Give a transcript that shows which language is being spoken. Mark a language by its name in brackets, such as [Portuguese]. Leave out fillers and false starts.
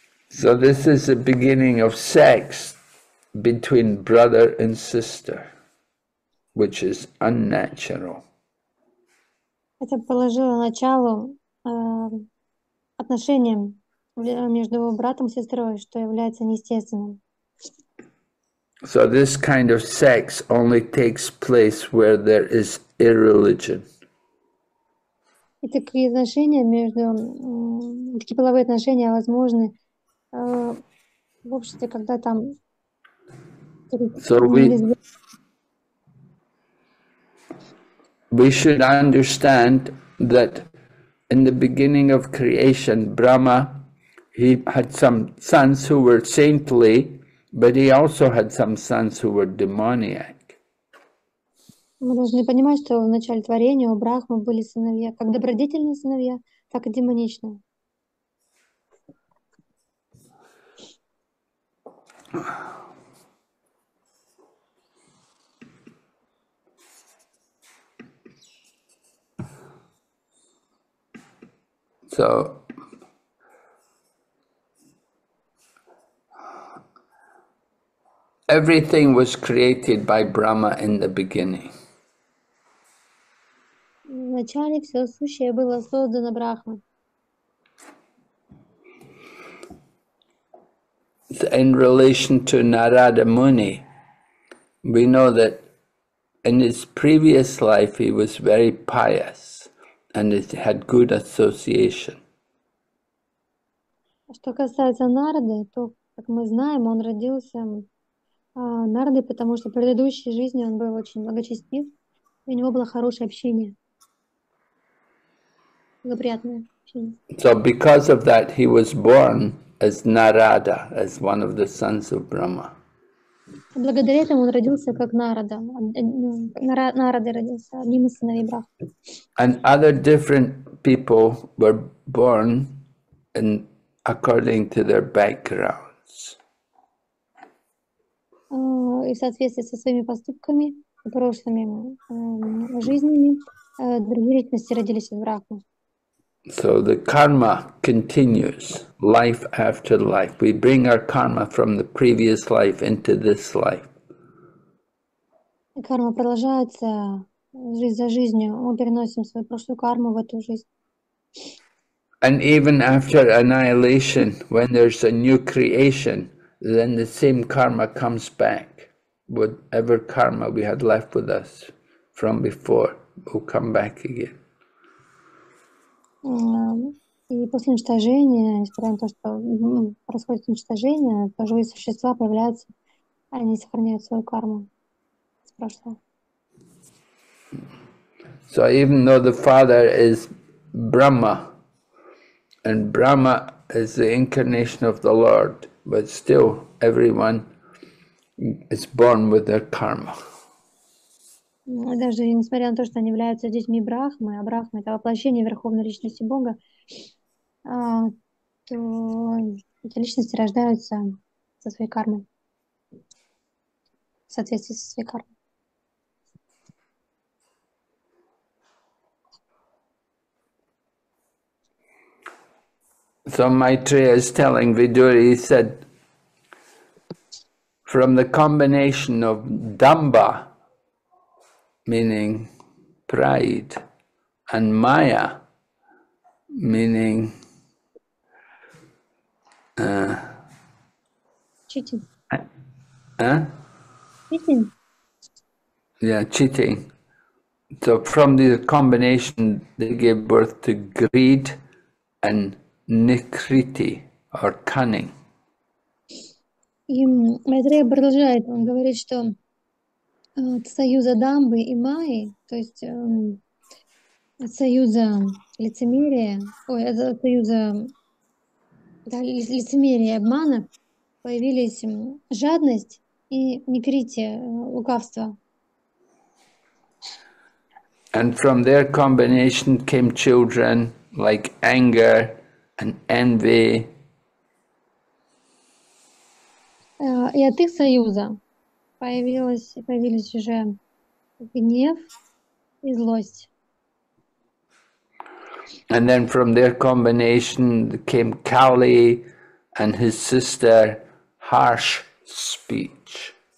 [English] So this is the beginning of sex between brother and sister, which is unnatural. [Russian] Это положило начало отношениям между братом и сестрой, что является неестественным. [English] So this kind of sex only takes place where there is irreligion. [Russian] И такие отношения между такие половые отношения возможны в обществе, когда там [English] So [Russian] нелюбовь. [English] we should understand that in the beginning of creation, Brahma, he had some sons who were saintly, but he also had some sons who were demoniac. [Russian] Мы должны понимать, что в начале творения у Брахмы были сыновья, как добродетельные сыновья, так и демоничные. [English] So, everything was created by Brahma in the beginning. [Russian] Вначале все сущее было создано Брахмой. [English] In relation to Narada Muni, we know that in his previous life he was very pious and it had good association. [Russian] Что касается Нарды, то, как мы знаем, он родился Нарды, потому что в предыдущей жизни он был очень благочестив, и у него было хорошее общение. Благоприятное общение. [English] So because of that, he was born as Narada, as one of the sons of Brahma. [Russian] Благодаря этому он родился как Нарада. Нарада родился одним из сыновей Брахмы. [English] And other different people were born in, according to their backgrounds. [Russian] И в соответствии со своими поступками, прошлыми жизнями, другие личности родились в Брахму. [English] So the karma continues life after life. We bring our karma from the previous life into this life. [Russian] Карма продолжается жизнь за жизнью. Мы переносим свою прошлую карму в эту жизнь. [English] And even after annihilation, when there's a new creation, then the same karma comes back. Whatever karma we had left with us from before will come back again. [Russian] И после уничтожения, несмотря на то, что происходит уничтожение, то живые существа появляются, они сохраняют свою карму с прошлого. [English] So even though the father is Brahma, And Brahma is the incarnation of the Lord, but still everyone is born with their karma. [Russian] Даже несмотря на то, что они являются детьми Брахмы, а Брахма — это воплощение Верховной Личности Бога, то эти личности рождаются со своей кармой, соответствии со своей кармой. [English] So Maitreya is telling Vidura, he said, from the combination of dambha, meaning pride, and maya, meaning Читинг. Читинг. yeah, cheating. So from the combination, they gave birth to greed and Никрити, or cunning. [Russian] И Майтрея продолжает, он говорит, что союза дамбы и майи, то есть союза лицемерия, ой, это союза да, лицемерия и обмана, появились жадность и некрития, лукавство. [English] And from their combination came children like anger. And envy. [Russian] И от их союза появились уже гнев и злость. [English] And then from their combination came Kali and his sister, harsh speech.